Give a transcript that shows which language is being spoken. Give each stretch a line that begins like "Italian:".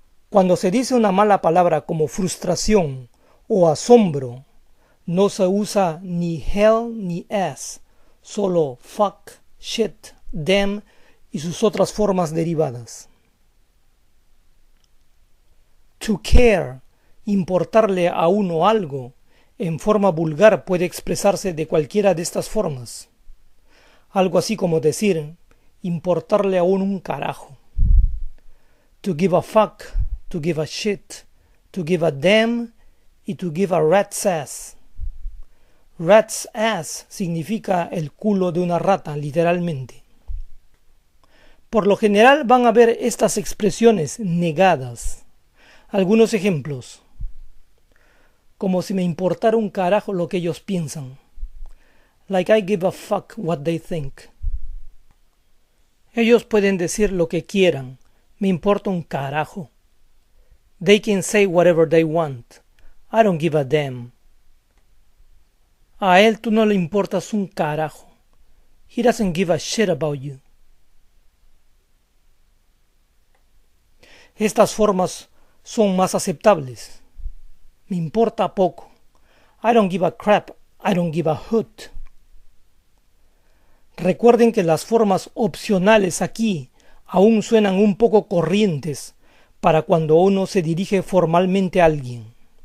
Spanish: Cuando se dice una mala palabra como frustración o asombro, no se usa ni hell ni ass, solo fuck, shit, damn y sus otras formas derivadas. To care, importarle a uno algo, en forma vulgar puede expresarse de cualquiera de estas formas. Algo así como decir, importarle a uno un carajo.
English: To give a fuck, to give a shit, to give a damn, y to give a rat's ass.
Spanish: Rat's ass significa el culo de una rata, literalmente. Por lo general van a ver estas expresiones negadas. Algunos ejemplos. Como si me importara un carajo lo que ellos piensan.
English: Like I give a fuck what they think.
Spanish: Ellos pueden decir lo que quieran. Me importa un carajo.
English: They can say whatever they want. I don't give a damn.
Spanish: A él tú no le importas un carajo.
English: He doesn't give a shit about you.
Spanish: Estas formas son más aceptables. Me importa poco.
English: I don't give a crap. I don't give a hoot.
Spanish: Recuerden que las formas opcionales aquí aún suenan un poco corrientes para cuando uno se dirige formalmente a alguien.